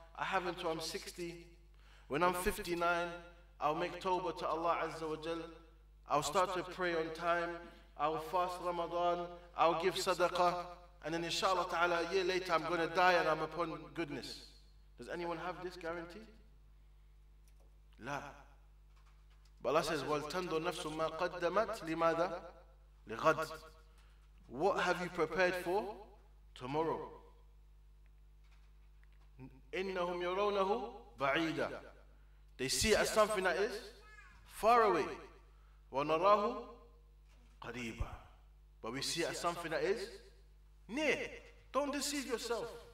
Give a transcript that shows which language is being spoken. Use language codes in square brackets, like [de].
[en] I have until I'm 60. When I'm 59, I'll make tawbah to Allah Azza wa Jal. I'll start to pray on time. I'll fast Ramadan. I'll give sadaqah. And then inshallah ta'ala, a year later, I'm going to die and I'm upon goodness. Does anyone have this guarantee? [ar] La. [en] But Allah says, [ar] وَالْتَنْدُوا نَفْسُ مَا قَدَّمَتْ لِمَاذَا لِغَدْ. [en] What have you prepared for tomorrow? [ar] إِنَّهُمْ يَرَوْنَهُ بَعِيدًا. [en] They see it as something that is far away. [ar] وَنَرَاهُ قَرِيبًا. [en] But we see it as something that is near. Don't deceive yourself.